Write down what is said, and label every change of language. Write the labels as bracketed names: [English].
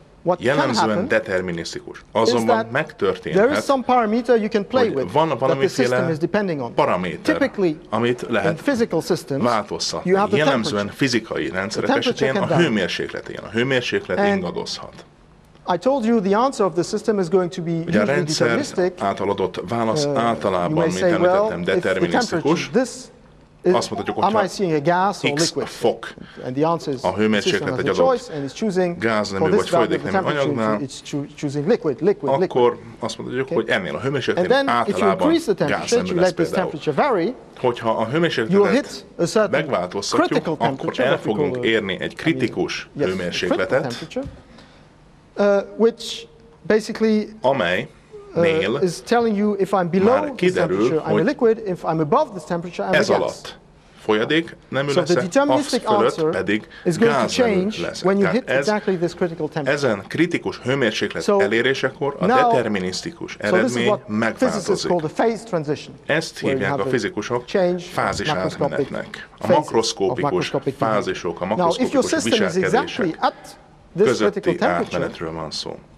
[Hungarian] What jellemzően determinisztikus. Azonban megtörténhet, hogy van valamiféle paraméter, amit lehet változtatni. Jellemzően fizikai rendszerek esetén a hőmérséklet ilyen. A hőmérséklet ingadozhat. [English] I told you the answer of the system is going to be [Hungarian] ugye a rendszer által adott válasz általában, mint említettem, determinisztikus. Azt mondhatjuk, hogyha X fok a hőmérséklet egy adott gáznemű vagy folyadéknemű anyagnál, akkor azt mondhatjuk, hogy ennél a hőmérsékleten általában gáznemű lesz például. Hogyha a hőmérsékletet megváltoztatjuk, akkor el fogunk érni egy kritikus hőmérsékletet, [English] which basically is telling you if I'm below this temperature, I'm a liquid, if I'm above this temperature, I'm a gas. [Hungarian] Alatt folyadék nemű lesz, [English] so the deterministic answer [Hungarian] pedig [English] is going to change when you hit exactly this critical temperature. [Hungarian] Ezen kritikus hőmérséklet elérésekor a determinisztikus eredmény megváltozik. Ezt hívják a fizikusok fázis átmenetnek. A makroszkópikus fázisok, a makroszkópikus viselkedések közötti átmenetről van szó.